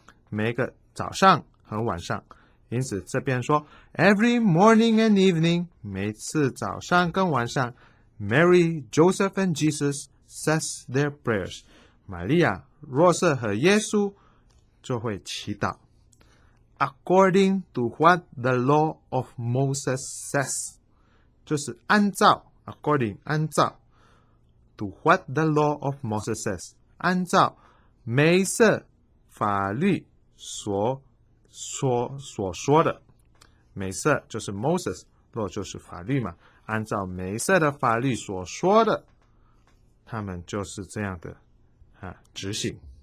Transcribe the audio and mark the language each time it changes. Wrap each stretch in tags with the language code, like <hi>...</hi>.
<zh>每个早上和晚上。因此这边说</zh> <en>Every morning and evening，</en> <zh>每次早上跟晚上，</zh> <en>Mary, Joseph and Jesus says their prayers。</en> <zh>玛利亚、若瑟和耶稣就会祈祷。</zh> <en>According to what the law of Moses says，</en> <zh>就是按照，</zh> <en>according</en> <zh>按照，</zh> <en>to what the law of Moses says，</en> <zh>按照梅瑟法律所说的。梅瑟就是 Moses， 若就是法律嘛，按照梅瑟的法律所说的，他们就是这样的啊执行。</zh>